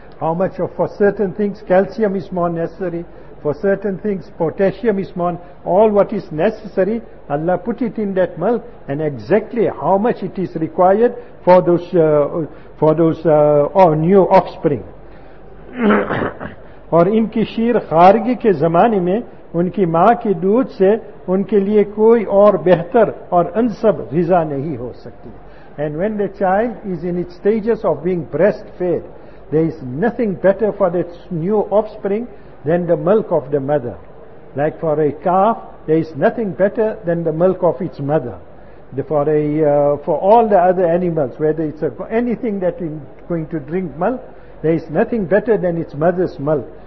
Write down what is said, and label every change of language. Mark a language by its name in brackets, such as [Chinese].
[English] How much of, for certain things, calcium is more necessary, for certain things, potassium is more, all what is necessary, Allah put it in that milk, and exactly how much it is required for those new offspring. [Urdu] اور ان کی شیر خارگی کے زمانے میں ان کی ماں کے دودھ سے ان کے لیے کوئی اور بہتر اور انسب غذا نہیں ہو سکتی. [English] And when the child is in its stages of being breastfed, there is nothing better for that new offspring than the milk of the mother. Like for a calf, there is nothing better than the milk of its mother. For all the other animals, whether it's anything that is going to drink milk, there is nothing better than its mother's milk.